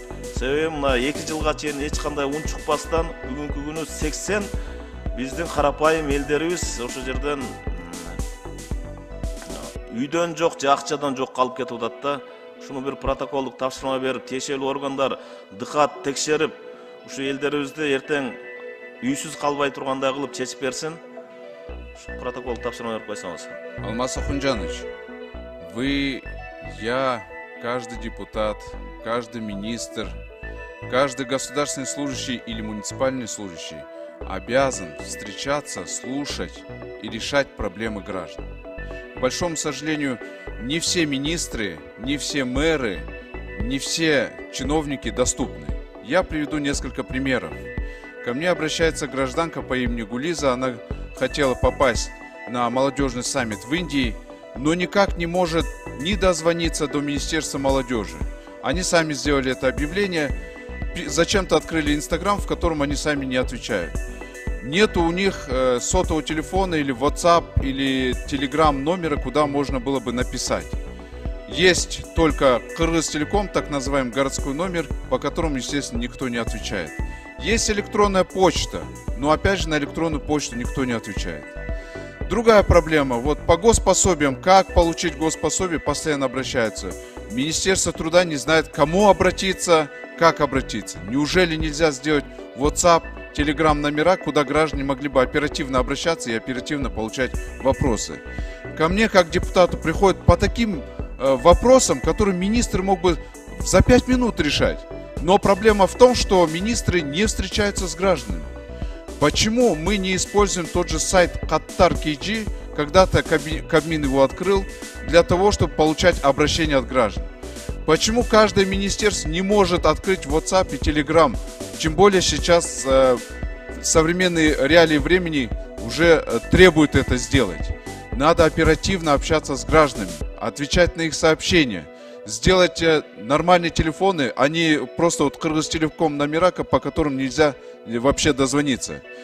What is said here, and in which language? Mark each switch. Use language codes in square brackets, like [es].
[ky] Себеби мына 2 жылга чейин эч кандай үн чыкпастан бүгүнкү күнү 80 биздин карапайым элдерибиз ошо жерден үйдөн жок же акчадан жок калып кетип атат да. Ушуну бир протоколдук тапшырма берип тиешелүү органдар дыкат текшерип ушу элдерибизди эртең үйсүз калбай тургандай кылып чечип берсин. Ушу протоколдук тапшырма берип койсоңуз. [ru] Алмаз Акунжанович, вы, я, каждый депутат, каждый министр, каждый государственный служащий или муниципальный служащий обязан встречаться, слушать и решать проблемы граждан. К большому сожалению, не все министры, не все мэры, не все чиновники доступны. Я приведу несколько примеров. Ко мне обращается гражданка по имени Гулиза. Она хотела попасть на молодежный саммит в Индии, но никак не может ни дозвониться до Министерства молодежи. Они сами сделали это объявление, зачем-то открыли Инстаграм, в котором они сами не отвечают. нету у них сотового телефона или WhatsApp или Telegram номера, куда можно было бы написать. Есть только Кыргызтелеком, так называемый городской номер, по которому, естественно, никто не отвечает. Есть электронная почта, но опять же на электронную почту никто не отвечает. Другая проблема, вот по госпособиям, как получить госпособие, постоянно обращаются. Министерство труда не знает, кому обратиться, как обратиться. Неужели нельзя сделать WhatsApp, Telegram номера, куда граждане могли бы оперативно обращаться и оперативно получать вопросы? Ко мне, как депутату, приходят по таким вопросам, которые министр мог бы за 5 минут решать. Но проблема в том, что министры не встречаются с гражданами. Почему мы не используем тот же сайт Qatar.kg, когда-то Кабмин его открыл, для того, чтобы получать обращения от граждан? Почему каждое министерство не может открыть WhatsApp и Telegram? Тем более сейчас современные реалии времени уже требуют это сделать. Надо оперативно общаться с гражданами, отвечать на их сообщения. Сделать нормальные телефоны, а не просто вот Кыргызтелеком номера, по которым нельзя вообще дозвониться.